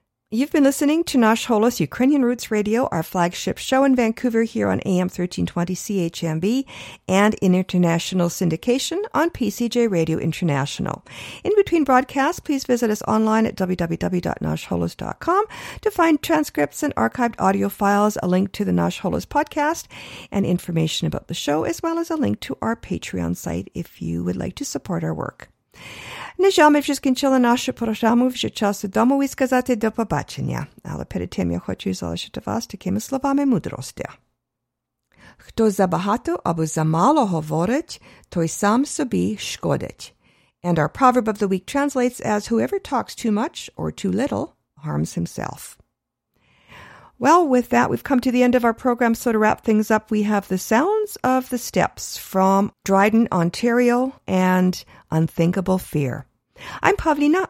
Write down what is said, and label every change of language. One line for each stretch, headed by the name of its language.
English: You've been listening to Nash Holos Ukrainian Roots Radio, our flagship show in Vancouver here on AM 1320 CHMB and in international syndication on PCJ Radio International. In between broadcasts, please visit us online at www.nashholos.com to find transcripts and archived audio files, a link to the Nash Holos podcast, and information about the show, as well as a link to our Patreon site if you would like to support our work.
Ukrainian: На жаль, ми вже скінчили нашу програму, вже часу дому і сказати до побачення. Але перед тим я хочу залишити вас такими словами мудрості. Хто забагато або замало говорить, той сам собі шкодить.
English: And our proverb of the week translates as, whoever talks too much or too little harms himself. Well, with that, we've come to the end of our program. So to wrap things up, we have the sounds of the steps from Dryden, Ontario, and Unthinkable Fear. I'm Pavlina.